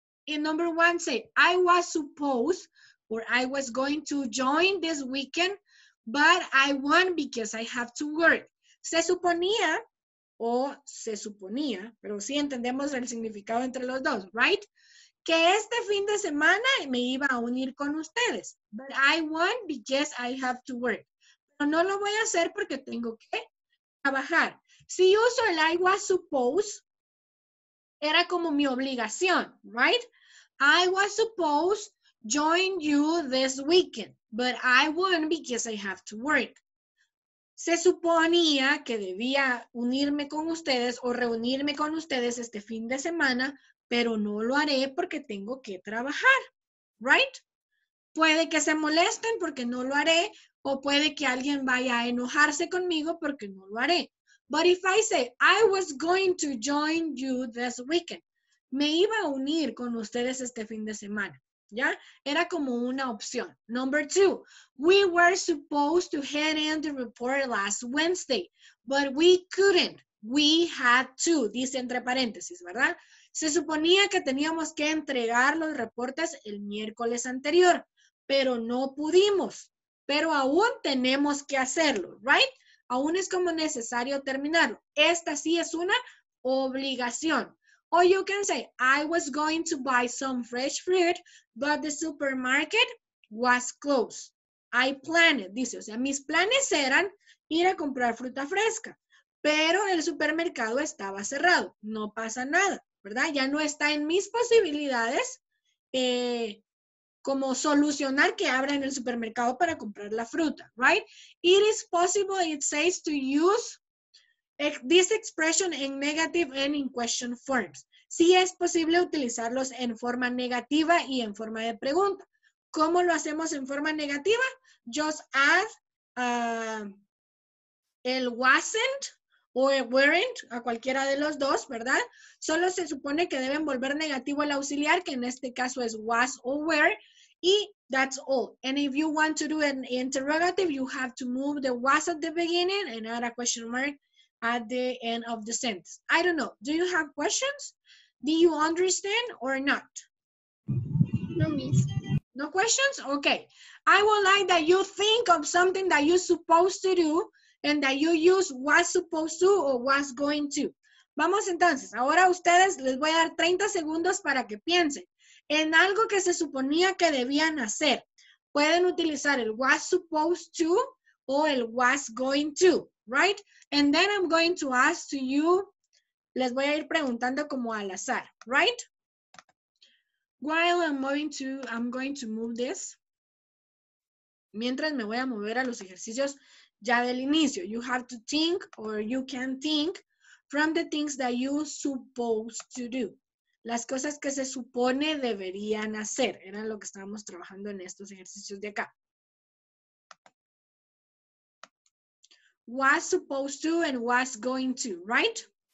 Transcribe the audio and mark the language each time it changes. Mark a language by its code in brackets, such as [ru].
[en] In number one, say, I was supposed or I was going to join this weekend, but I won't because I have to work. [es] Se suponía o se suponía, pero sí entendemos el significado entre los dos, right? Que este fin de semana me iba a unir con ustedes. [en] But I won't because I have to work. [es] Pero no lo voy a hacer porque tengo que trabajar. Si uso el I was supposed, era como mi obligación, right? [en] I was supposed to join you this weekend. But I won't because I have to work. [es] Se suponía que debía unirme con ustedes o reunirme con ustedes este fin de semana, pero no lo haré porque tengo que trabajar, right? Puede que se molesten porque no lo haré, o puede que alguien vaya a enojarse conmigo porque no lo haré. [en] But if I say, I was going to join you this weekend, [es] me iba a unir con ustedes este fin de semana, ¿ya? Era como una opción. [en] Number two, we were supposed to hand in the report last Wednesday, but we couldn't, we had to, [es] dice entre paréntesis, ¿verdad? Se suponía que teníamos que entregar los reportes el miércoles anterior, pero no pudimos. Pero aún tenemos que hacerlo, ¿right? Aún es como necesario terminarlo. Esta sí es una obligación. [en] O you can say, I was going to buy some fresh fruit, but the supermarket was closed. [es] I planned, dice, o sea, mis planes eran ir a comprar fruta fresca, pero el supermercado estaba cerrado. No pasa nada. ¿Verdad? Ya no está en mis posibilidades como solucionar que abran el supermercado para comprar la fruta, right? [en] It is possible, it says, to use this expression in negative and in question forms. [es] Sí es posible utilizarlos en forma negativa y en forma de pregunta. ¿Cómo lo hacemos en forma negativa? Just add el wasn't o weren't, a cualquiera de los dos, ¿verdad? Solo se supone que deben volver negativo el auxiliar, que en este caso es was o were, y that's all. [en] And if you want to do an interrogative, you have to move the was at the beginning and add a question mark at the end of the sentence. I don't know. Do you have questions? Do you understand or not? [es] No, miss. [en] No questions? Okay. I would like that you think of something that you're supposed to do and that you use was supposed to or was going to. [es] Vamos entonces, ahora a ustedes les voy a dar 30 segundos para que piensen en algo que se suponía que debían hacer. Pueden utilizar el was supposed to o el was going to, right? [en] And then I'm going to ask to you, [es] les voy a ir preguntando como al azar, [en] right? While I'm going to move this. [es] Mientras me voy a mover a los ejercicios ya del inicio. [en] You have to think or you can think from the things that you supposed to do. [es] Las cosas que se supone deberían hacer. Era lo que estábamos trabajando en estos ejercicios de acá. [en] Was supposed to and was going to, right?